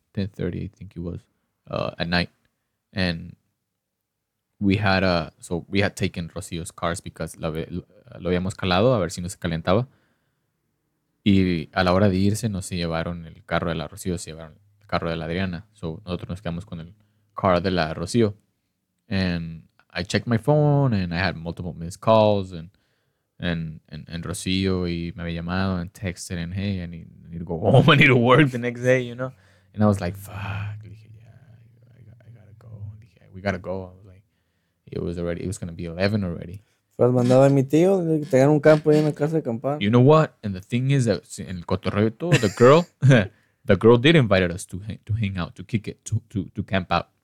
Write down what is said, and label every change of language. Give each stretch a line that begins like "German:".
English: 10:30 I think it was. At night. And we had a... So we had taken Rocío's cars because
Spanish: lo habíamos calado a ver si no se calentaba. Y a la hora de irse, no se llevaron el carro de la Rocío, se llevaron el carro de la Adriana. So, nosotros nos quedamos con el car de la Rocío.
English: And I checked my phone, and I had multiple missed calls, and Rocío,
Spanish: y me había llamado,
English: and texted, and hey, I need to go home, I need to work the next day, you know? And I was like, fuck.
Spanish: Dije,
English: yeah, I gotta go. I was like, it was gonna be 11 already.
Spanish: Pues mandaba a mi tío que tenían un campo ahí en la casa de campaña.
English: You know what? And the thing is that
Spanish: en el cotorreo todo,
English: the girl did invite us to hang out, to kick it, to camp out.